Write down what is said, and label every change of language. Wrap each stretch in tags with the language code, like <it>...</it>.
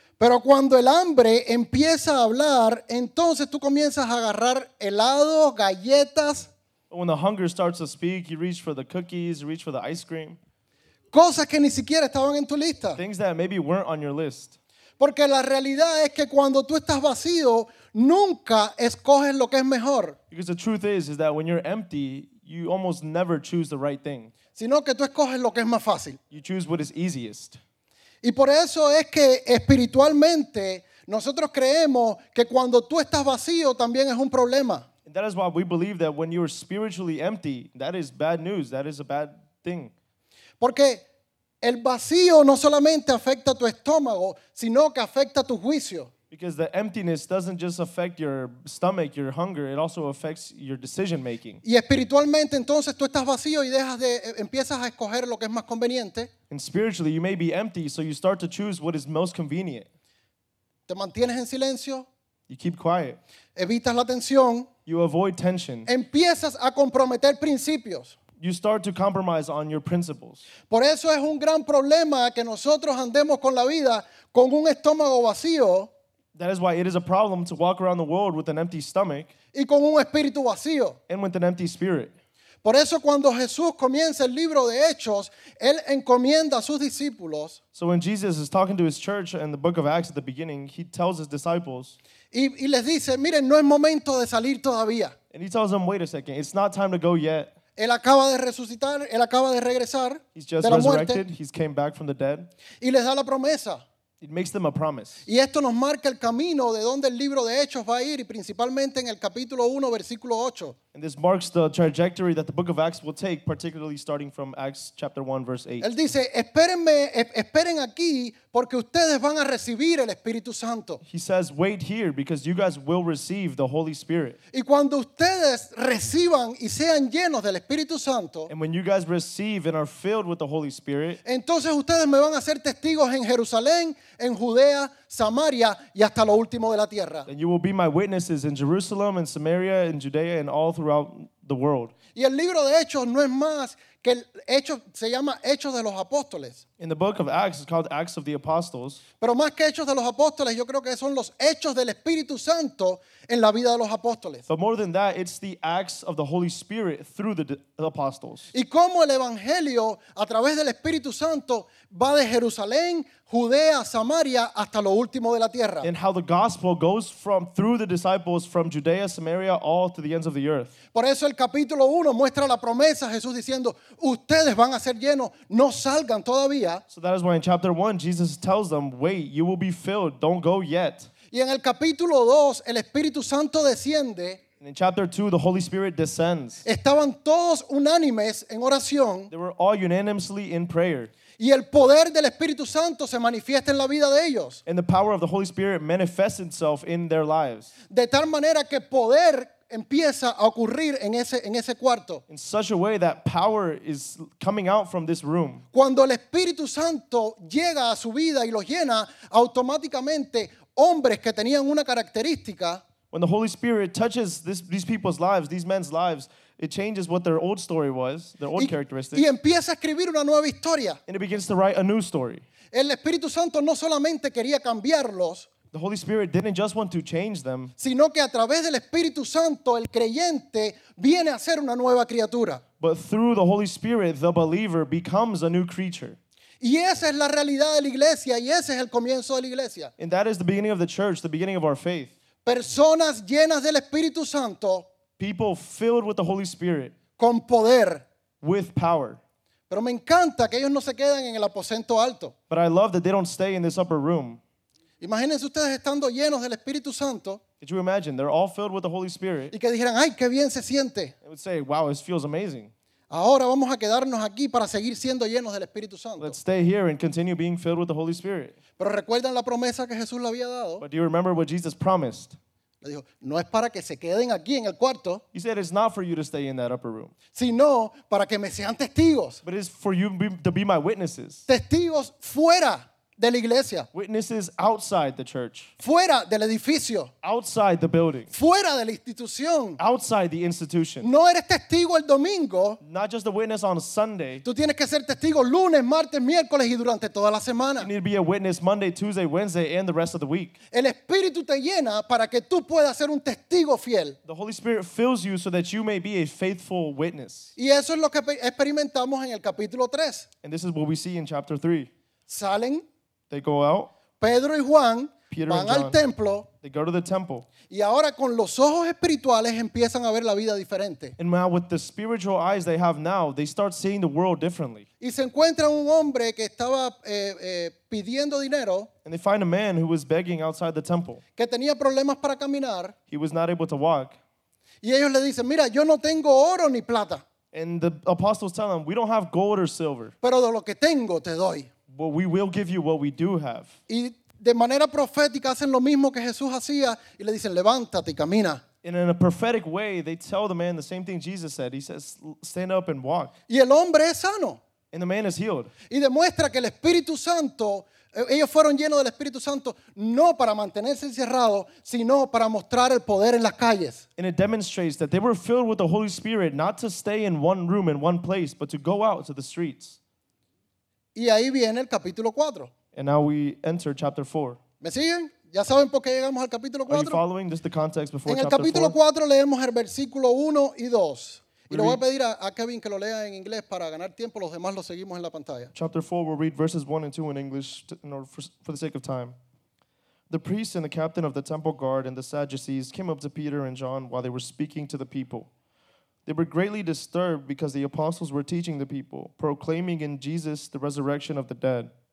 <es>Pero cuando el hambre empieza a hablar, entonces tú comienzas a agarrar helado, galletas.</es> <en>When the hunger starts to speak, you reach for the cookies, you reach for the ice cream.</en> <es>Cosas que ni siquiera estaban en tu lista.</es> <en>Things that maybe weren't on your list.</en> <es>Porque la realidad es que cuando tú estás vacío, nunca escoges lo que es mejor.</es> <en>Because the truth is that when you're empty, you almost never choose the right thing.</en> <es>Sino que tú escoges lo que es más fácil.</es> <en>You choose what is easiest.</en> <es>Y por eso es que espiritualmente nosotros creemos que cuando tú estás vacío también es un problema.</es> <en>And that is why we believe that when you are spiritually empty, that is bad news, that is a bad thing.</en> <es>Porque el vacío no solamente afecta tu estómago, sino que afecta tu juicio.</es> <en>Because the emptiness doesn't just affect your stomach, your hunger, it also affects your decision making.</en> <es>Y espiritualmente entonces tú estás vacío y dejas de empiezas a escoger lo que es más conveniente.</es> <en>And spiritually you may be empty, so you start to choose what is most convenient.</en> <es>Te mantienes en silencio.</es> <en>You keep quiet.</en> <es>Evitas la tensión.</es> <en>You avoid tension.</en> <es>Empiezas a comprometer principios.</es> <en>You start to compromise on your principles.</en> <es>Por eso es un gran problema que nosotros andemos con la vida con un estómago vacío.</es> <en>That is why it is a problem to walk around the world with an empty stomach.</en> <es>Y con un espíritu vacío.</es> <en>And with an empty spirit.</en> <es>Por eso cuando Jesús comienza el libro de Hechos, él encomienda a sus discípulos.</es> <en>So when Jesus is talking to his church in the book of Acts at the beginning, he tells his disciples.</en> <es>Y les dice, miren, no es momento de salir todavía.</es> <en>And he tells them, wait a second, it's not time to go yet.</en> <es>Él acaba de resucitar, él acaba de regresar de la muerte.</es> <en>He's just resurrected, he's came back from the dead.</en> <es>Y les da la promesa.</es> <en>It makes them a promise.</en> <es>Y esto nos marca el camino de donde el libro de Hechos va a ir, y principalmente en el capítulo 1, versículo 8.</es> <en>And this marks the trajectory that the book of Acts will take, particularly starting from Acts chapter 1, verse 8.</en> <es>Él dice, espérenme, esperen aquí, porque ustedes van a recibir el Espíritu Santo.</es> <en>He says, wait here, because you guys will receive the Holy Spirit.</en> <es>Y cuando ustedes reciban y sean llenos del Espíritu Santo,</es> <en>and when you guys receive and are filled with the Holy Spirit,</en> <es>entonces ustedes me van a ser testigos en Jerusalén, en Judea, Samaria y hasta lo último de la tierra.</es> <en>And you will be my witnesses in Jerusalem and Samaria and Judea and all throughout the world.</en> <es>Y el libro de Hechos no es más que el Hechos, se llama Hechos de los Apóstoles.</es> <en>In the book of Acts, it's called Acts of the Apostles.</en> <es>Pero más que Hechos de los Apóstoles, yo creo que son los Hechos del Espíritu Santo en la vida de los apóstoles.</es> <en>But more than that, it's the Acts of the Holy Spirit through the apostles.</en> <es>Y cómo el Evangelio a través del Espíritu Santo va de Jerusalén, Judea, Samaria, hasta lo último de la tierra.</es> <en>And how the gospel goes from through the disciples from Judea, Samaria, all to the ends of the earth.</en> <es>Por eso el capítulo 1 muestra la promesa, Jesús diciendo, ustedes van a ser llenos, no salgan todavía.</es> <en>So that is why in chapter 1, Jesus tells them, wait, you will be filled, don't go yet.</en> <es>Y en el capítulo 2, el Espíritu Santo desciende.</es> <en>And in chapter 2, the Holy Spirit descends.</en> <es>Estaban todos unánimes en oración.</es> <en>They were all unanimously in prayer.</en> <es>Y el poder del Espíritu Santo se manifiesta en la vida de ellos.</es> <en>And the power of the Holy Spirit manifests itself in their lives.</en> <es>De tal manera que poder empieza a ocurrir en ese cuarto.</es> <en>In such a way that power is coming out from this room.</en> <es>Cuando el Espíritu Santo llega a su vida y lo llena, automáticamente hombres que tenían una característica.</es> <en>When the Holy Spirit touches these people's lives, these men's lives, it changes what their old story was, their old characteristics.</en> <es>Y empieza a escribir una nueva historia.</es> <en>And it begins to write a new story.</en> <es>El Espíritu Santo no solamente quería cambiarlos.</es> <en>The Holy Spirit didn't just want to change them.</en> <es>Sino que a través del Espíritu Santo, el creyente viene a ser una nueva criatura.</es> <en>But through the Holy Spirit, the believer becomes a new creature.</en> <es>Y esa es la realidad de la iglesia, y ese es el comienzo de la iglesia.</es> <en>And that is the beginning of the church, the beginning of our faith.</en> <es>Personas llenas del Espíritu Santo.</es> <en>People filled with the Holy Spirit.</en> <es>Con poder.</es> <en>With power.</en> <es>Pero me encanta que ellos no se quedan en el aposento alto.</es> <en>But I love that they don't stay in this upper room.</en> <es>Imagínense ustedes estando llenos del Espíritu Santo.</es> <en>Could you imagine? They're all filled with the Holy Spirit.</en> <es>Y que dijeran, ay, qué bien se siente.</es> <en>They would say, wow, this feels amazing.</en> <es>Ahora vamos a quedarnos aquí para seguir siendo llenos del Espíritu Santo.</es> <en>Let's stay here and continue being filled with the Holy Spirit.</en> <es>Pero recuerdan la promesa que Jesús le había dado.</es> <en>But do you remember what Jesus promised?</en> <es>Le dijo, no es para que se queden aquí en el cuarto.</es> <en>He said, it's not for you to stay in that upper room.</en> <es>Sino para que me sean testigos.</es> <en>But it's for you to be my witnesses.</en> <es>Testigos fuera de la iglesia.</es> <en>Witnesses outside the church.</en> <es>Fuera del edificio.</es> <en>Outside the building.</en> <es>Fuera de la institución.</es> <en>Outside the institution.</en> <es>No eres testigo el domingo.</es> <en>Not just a witness on Sunday.</en> <es>Tú tienes que ser testigo lunes, martes, miércoles y durante toda la semana.</es> <en>You need to be a witness Monday, Tuesday, Wednesday and the rest of the week.</en> <es>El Espíritu te llena para que tú puedas ser un testigo fiel.</es> <en>The Holy Spirit fills you so that you may be a faithful witness.</en> <es>Y eso es lo que experimentamos en el capítulo 3.</es> <en>And this is what we see in chapter 3.</en> <es>Salen.</es> <en>They go out.</en> <es>Pedro y Juan</es> <en>Peter</en> <es>van</es> <en>and John,</en> <es>al templo.</es> <en>They go to the temple.</en> <es>Y ahora con los ojos espirituales empiezan a ver la vida diferente.</es> <en>And now with the spiritual eyes they have now, they start seeing the world differently.</en> <es>Y se encuentran un hombre que estaba pidiendo dinero.</es> <en>And they find a man who was begging outside the temple.</en> <es>Que tenía problemas para caminar.</es> <en>He was not able to walk.</en> <es>Y ellos le dicen, mira, yo no tengo oro ni plata.</es> <en>And the apostles tell him, we don't have gold or silver.</en> <es>Pero de lo que tengo te doy.</es> <en>Well, we will give you what we do have.</en> <es>Y de manera profética hacen lo mismo que Jesús hacía y le dicen, levántate y camina.</es> <en>And in a prophetic way, they tell the man the same thing Jesus said. He says, stand up and walk.</en> <es>Y el hombre es sano.</es> <en>And the man is healed.</en> <es>Y demuestra que el Espíritu Santo, ellos fueron llenos del Espíritu Santo no para mantenerse encerrados, sino para mostrar el poder en las calles.</es> <en>And it demonstrates that they were filled with the Holy Spirit not to stay in one room in one place, but to go out to the streets.</en> <es>Y ahí viene el capítulo 4.</es> <en>And now we enter chapter 4.</en> <es>¿Me siguen? ¿Ya saben por qué llegamos al capítulo 4?</es> <en>Are you following just the context before chapter</en> <es>4? En el capítulo 4 leemos el versículo 1 y 2. Y le voy a pedir a Kevin que lo lea en inglés para ganar tiempo. Los demás lo seguimos en la pantalla.</es> <en>Chapter 4, we'll read verses 1 and 2 in English for the sake of time. The priest and the captain of the temple guard and the Sadducees came up to Peter and John while they were speaking to the people. They were greatly disturbed because the apostles were teaching the people, proclaiming in Jesus the resurrection of the dead.</en>